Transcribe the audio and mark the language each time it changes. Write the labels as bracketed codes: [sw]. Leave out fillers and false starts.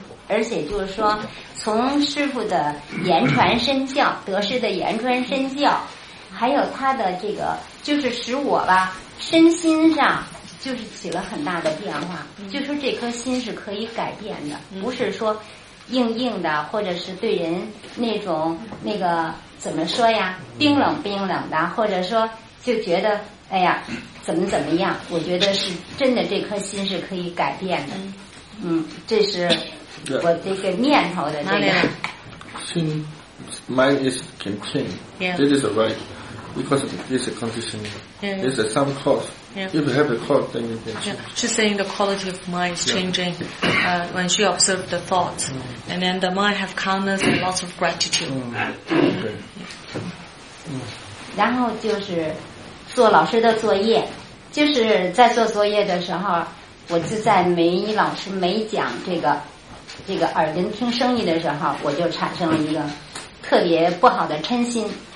[zh] 而且就是说从师父的言传身教，得师的言传身教，还有他的这个就是使我吧身心上就是起了很大的变化，就说这颗心是可以改变的，不是说硬硬的，或者是对人那种那个怎么说呀，冰冷冰冷的，或者说就觉得哎呀怎么怎么样，我觉得是真的这颗心是可以改变的。这是我这个念头的这个 [en] 心 mind is can change. This is a right because it's a condition. It's a some cause. If you have the cause, then you can change. She's saying the quality of mind is changing when she observed the thoughts. And then the mind have calmness and lots of gratitude. [zh] 然后就是做老师的作业，就是在做作业的时候，我就在每一老师每讲这个耳根听声音的时候，我就产生了一个特别不好的嗔心。